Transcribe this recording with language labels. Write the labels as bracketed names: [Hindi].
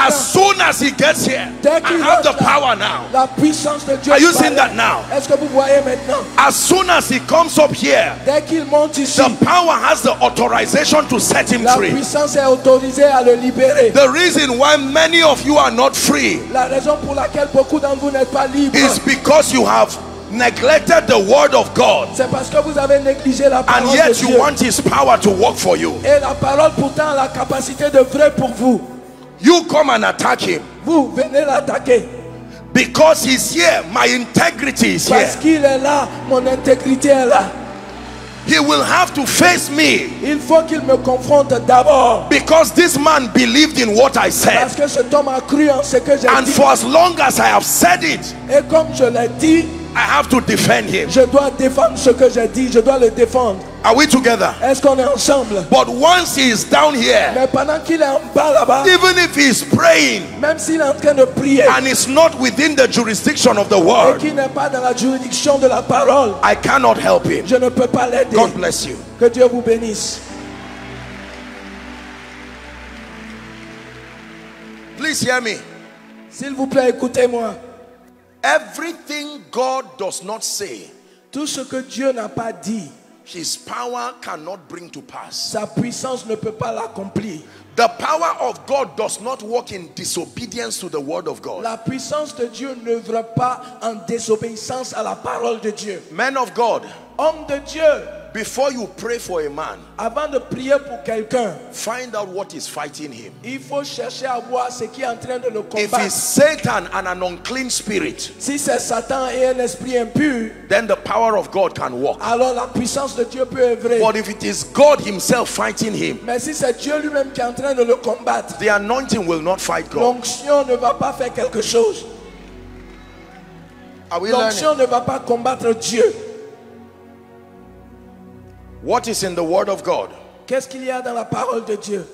[English] as soon as he gets here, I have the power now. [French] La puissance de Dieu [English] are you seeing that now? [French] Est-ce que vous voyez maintenant? [English] As soon as he comes up here, [French] dès qu'il monte ici, [English] the power has the authorization to set him [French] la [English] free. [French] Puissance est autorisée à le libérer. [English] The reason why many of you are not free [French] la raison pour laquelle beaucoup d'entre vous n'êtes pas libre [English] is because you have neglected the word of God. [French] C'est parce que vous avez négligé la parole [English] and yet [French] de [English] you [French] Dieu. [English] Want his power to work for you. [French] Et la parole pourtant a la capacité de vrai pour vous. [English] You come and attack him. [French] Vous venez l'attaquer. [English] Because he's here, my integrity is [French] parce [English] here. [French] Qu'il est là, mon intégrité est là. [English] He will have to face me. [French] Il faut qu'il me confronte d'abord. [English] Because this man believed in what I said. [French] Parce que cet homme a cru en ce que j'ai [English] and [French] dit. [English] And for as long as I have said it. [French] Et comme je l'ai dit, [English] I have to defend him. [French] Je dois défendre ce que j'ai dit. Je dois le défendre. [English] Are we together? [French] Est-ce qu'on est ensemble? [English] But once he is down here, [French] mais pendant qu'il est en bas là-bas, [English] even if he is praying, [French] même s'il est en train de prier, [English] and it's not within the jurisdiction of the word, [French] et qu'il n'est pas dans la juridiction de la parole, [English] I cannot help him. [French] Je ne peux pas l'aider. [English] God bless you. [French] Que Dieu vous bénisse. [English] Please hear me. [French] S'il vous plaît, écoutez-moi. [English] Everything God does not say, [French] tout ce que Dieu n'a pas dit, [English] his power cannot bring to pass. [French] Sa puissance ne peut pas l'accomplir. [English] The power of God does not work in disobedience to the word of God. [French] La puissance de Dieu n'œuvre pas en désobéissance à la parole de Dieu. [English] Men of God, [French] homme de Dieu, [English] before you pray for a man, [French] avant de prier pour quelqu'un, [English] find out what is fighting him. [French] Il faut chercher à voir ce qui est en train de le combattre. [English] If it's Satan and an unclean spirit, [French] si c'est Satan et un esprit impur, [English] then the power of God can work. [French] Alors la puissance de Dieu peut œuvrer. [English] But if it is God himself fighting him, [French] mais si c'est Dieu lui-même qui est en train de le combattre, [English] the anointing will not fight God. [French] L'onction ne va pas faire quelque chose. [English] Are we [French] l'onction [English] learning? [French] Ne va pas combattre Dieu. [English] What is in the word of God? [French] Qu'est-ce qu'il y a dans la parole de Dieu?